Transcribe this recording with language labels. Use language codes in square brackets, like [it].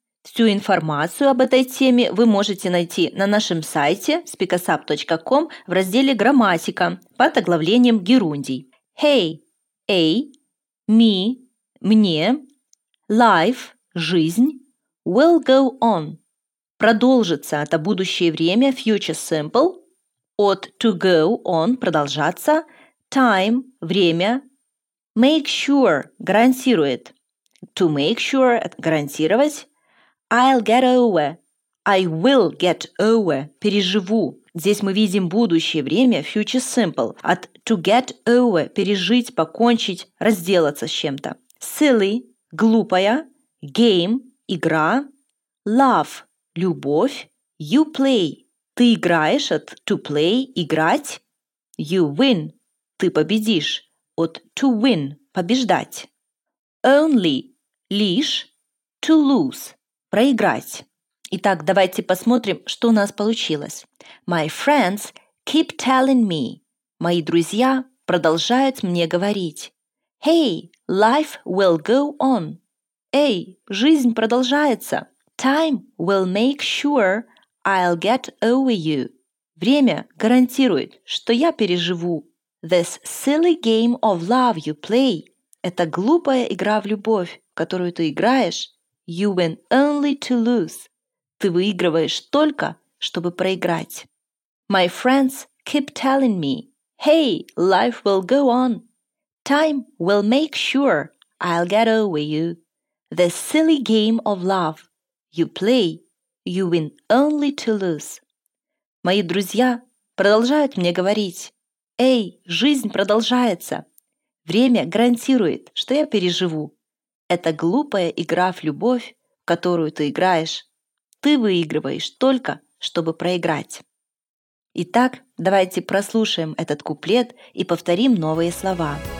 [ru] Всю информацию об этой теме вы можете найти на нашем сайте speakusup.com в разделе «Грамматика» под оглавлением «Герундий». [en] Hey [ru] – эй, [en] me [ru] – мне, [en] life [ru] – жизнь. [en] Will go on. [ru] Продолжится – это будущее время, [en] future simple. [ru] От [en] to go on [ru] – продолжаться. [en] Time [ru] – время. [en] Make sure [ru] – гарантирует. [en] To make sure, [ru] гарантировать. [en] I'll get over. I will get over. [ru] Переживу. Здесь мы видим будущее время, [en] future simple. [ru] От [en] to get over, [ru] пережить, покончить, разделаться с чем-то. [en] Silly, [ru] глупая. [en] Game, [ru] игра. [en] Love, [ru] любовь. [en] You play, [ru] ты играешь. От [en] to play, [ru] играть. [en] You win, [ru] ты победишь. От [en] to win, [ru] побеждать. [en] Only, [ru] лишь. [en] To lose, [ru] проиграть. Итак, давайте посмотрим, что у нас получилось. [en] My friends keep telling me. [ru] Мои друзья продолжают мне говорить. [en] Hey, life will go on. [ru] Эй, жизнь продолжается. [en] Time will make sure I'll get over you. [ru] Время гарантирует, что я переживу. [en] This silly game of love you play. [ru] Это глупая игра в любовь, которую ты играешь. [en] You win only to lose. [ru] Ты выигрываешь только, чтобы проиграть. [en] My friends keep telling me, hey, life will go on. Time will make sure I'll get over you. The silly game of love. You play, you win only to lose. [ru] Мои друзья продолжают мне говорить, эй, жизнь продолжается. Время гарантирует, что я переживу. Это глупая игра в любовь, которую ты играешь. Ты выигрываешь только, чтобы проиграть. Итак, давайте прослушаем этот куплет и повторим новые слова.